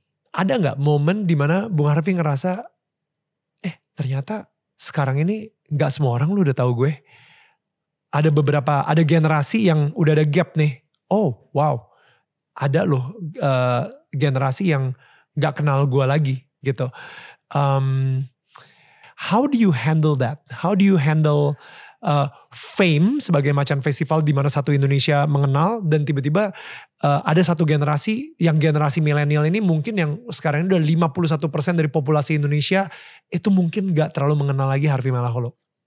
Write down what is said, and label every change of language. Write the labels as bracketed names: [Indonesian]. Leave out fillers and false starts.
[Indonesian] Ada gak momen dimana Bung Harvey ngerasa, ternyata sekarang ini gak semua orang lu udah tahu gue. Ada beberapa, ada generasi yang udah ada gap nih. [English] Oh, wow. [Indonesian] Ada loh generasi yang gak kenal gue lagi, gitu. [English] How do you handle that? How do you handle [Indonesian] fame sebagai macan festival di mana satu Indonesia mengenal, dan tiba-tiba ada satu generasi, yang generasi milenial ini mungkin yang sekarang ini udah 51% dari populasi Indonesia itu mungkin gak terlalu mengenal lagi Harvey Malaholo.